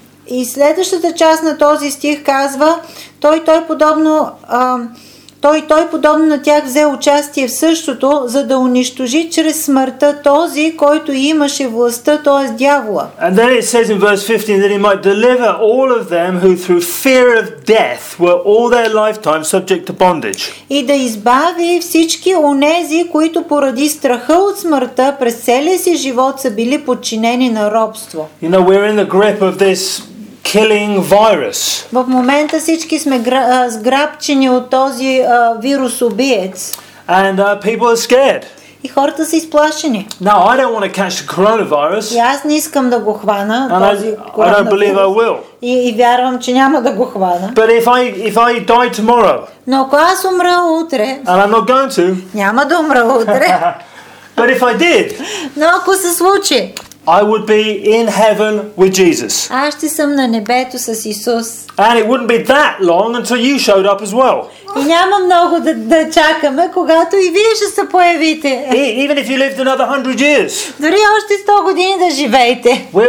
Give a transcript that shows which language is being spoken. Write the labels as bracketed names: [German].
[Bulgarian] И следващата част на този стих казва, той подобно на тях взе участие в същото, за да унищожи чрез смъртта този, който имаше властта, т.е. дявола. [English] And then it says in verse 15 that he might deliver all of them who through fear of death were all their lifetime subject to bondage. [Bulgarian] И да избави всички онези, които поради страха от смъртта през целия си живот са били подчинени на робство. [English] You know, we're in the grip of this killing virus. [Bulgarian] В момента всички сме сграбчени от този вирус убиец. [English] And people are scared. [Bulgarian] И хората са изплашени. [English] Now, I don't want to catch the coronavirus. [Bulgarian] И аз не искам да го хвана този [English] коронавирус. I don't believe I will. [Bulgarian] И вярвам, че няма да го хвана. [English] But if I die tomorrow. [Bulgarian] Но ако аз умра утре. [English] And I'm not going to. [Bulgarian] Няма да умра утре. [English] But if I did. [Bulgarian] Но ако се случи. [English] I would be in heaven with Jesus. [Bulgarian] Аз ще съм на небето с Исус. [English] And it wouldn't be that long until you showed up as well. [Bulgarian] И няма много да чакаме, когато и вие ще се появите. [English] Even if you lived another 100 years. [Bulgarian] Дори още 100 години да живеете.